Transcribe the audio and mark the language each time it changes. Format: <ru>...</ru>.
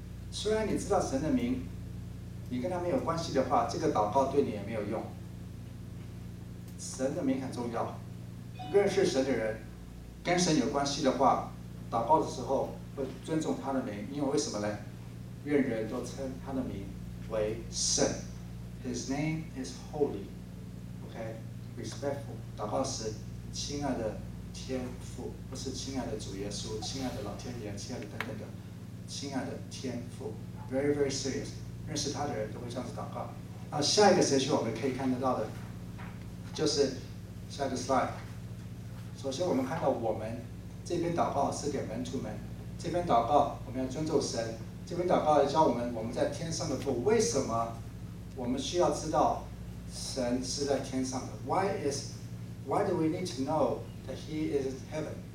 <zh>虽然你知道神的名, 你跟他没有关系的话, 这个祷告对你也没有用。神的名很重要, 认识神的人, 跟神有关系的话, 祷告的时候会尊重他的名, 因为为什么呢? 愿人都称他的名为圣,</zh> <en>His name is holy, okay? Respectful,</en> <zh>祷告时, 亲爱的天父, 不是亲爱的主耶稣, 亲爱的老天爷, 亲爱的等等的, 亲爱的天父,</zh> <en>very, very serious,</en> <zh>认识他的人都会这样子祷告。那下一个神学我们可以看得到的, 就是下一个 slide, 首先我们看到我们, 这篇祷告是给门徒们, 这篇祷告我们要尊重神, 这篇祷告教我们, 我们在天上的父, 为什么, 我们需要知道神是在天上的,</zh> <en>why do we need to know that he is in heaven?</en>